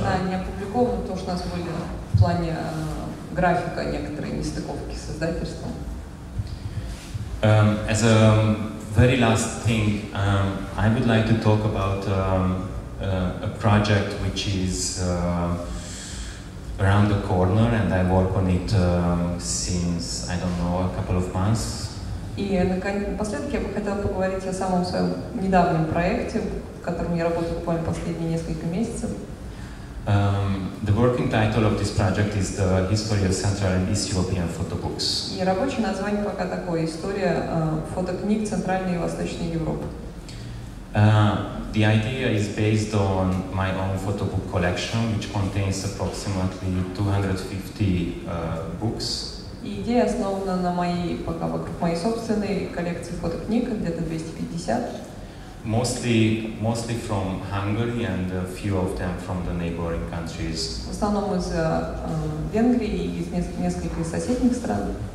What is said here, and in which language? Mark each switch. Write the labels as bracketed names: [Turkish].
[Russian] Да, не опубликовано, потому что у нас были в плане графика некоторые нестыковки с издательством. [English] As a very last thing, I would like to talk about a project which is around the corner, and I work on it since I don't know a couple of months. [Russian] И напоследок я бы хотела поговорить о самом своем недавнем проекте, в котором я работаю буквально последние несколько месяцев. [English] The working title of this project is The History of Central and East European Photo Books. [Russian] И рабочее название пока такое — История фотокниг Центральной и Восточной Европы. [English] The idea is based on my own photo book collection, which contains approximately 250 books. [Russian] И идея основана на моей собственной коллекции фотокниг, где-то 250. [English] Mostly from Hungary and a few of them from the neighboring countries. [Russian] В основном из Венгрии и из нескольких соседних стран.